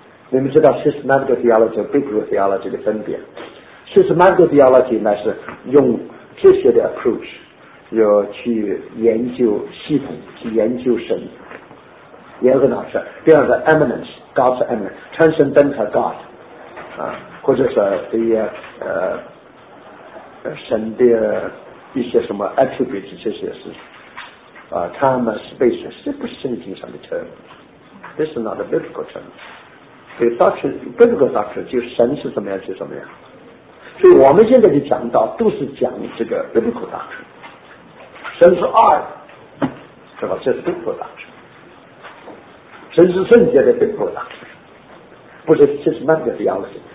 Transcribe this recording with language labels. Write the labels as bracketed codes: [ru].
[zh] 你们知道 systematic theology 和 biblical theology 的分别？systematic theology 那是用这些的 approach 要去研究系统，去研究神，也很好事。第二个 eminence， God's eminence， transcendental God。或者是这些神的一些什么 attributes， 这些是time and space， 这不是圣经上的 term， [en] this is not a biblical term。 [zh] 所以 biblical doctrine 就神是怎么样就怎么样，所以我们现在就讲到都是讲这个 biblical doctrine， 神是爱是吧，这是 biblical doctrine， 神是圣洁的 biblical doctrine，不是这是那个的样子。